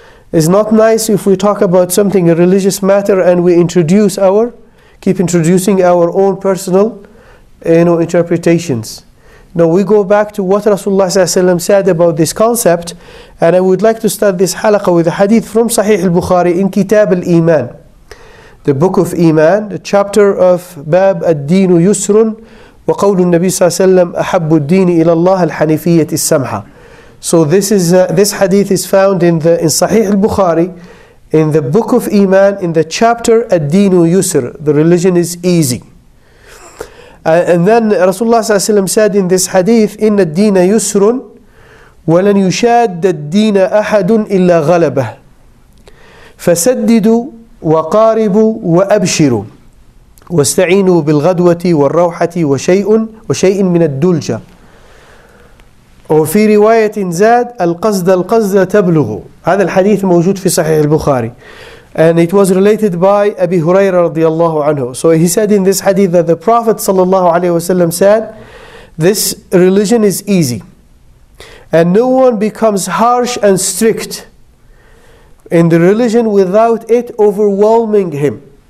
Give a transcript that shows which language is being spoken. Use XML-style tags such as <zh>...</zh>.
<en>It's not nice if we talk about something, a religious matter, and we keep introducing our own personal, you know, interpretations. No, we go back to what Rasulullah sallallahu alaihi wasallam said about this concept, and I would like to start this halaqa with a hadith from Sahih al-Bukhari in Kitab al-Iman, the Book of Iman, the chapter of Bab ad-Dinu Yusrun.</en> <ar>وقول النبي صلى الله عليه وسلم أحب الدين إلى الله الحنيفية السمحة.</ar> <en>So this hadith is found in Sahih al-Bukhari in the book of Iman, in the chapter Ad-Dinu Yusr, the religion is easy. And then Rasulullah sallallahu alayhi wa sallam said in this hadith,</en> <ar>إِنَّ الدِّينَ يُسْرٌ وَلَنْ يُشَادَّ الدِّينَ أَحَدٌ إِلَّا غَلَبَهُ فَسَدِّدُوا وَقَارِبُوا وَأَبْشِرُوا وَاسْتَعِينُوا بِالْغَدْوَةِ وَالرَّوْحَةِ وَشَيْءٍ مِنَ الدُّلْجَ. وفي رواية زاد القصد القصد تبلغ. هذا الحديث موجود في صحيح البخاري.</ar> <en>And it was related by Abi Huraira radiallahu anhu. So he said in this hadith that the Prophet sallallahu alayhi wasallam said, this religion is easy. And no one becomes harsh and strict in the religion without it overwhelming him.</en>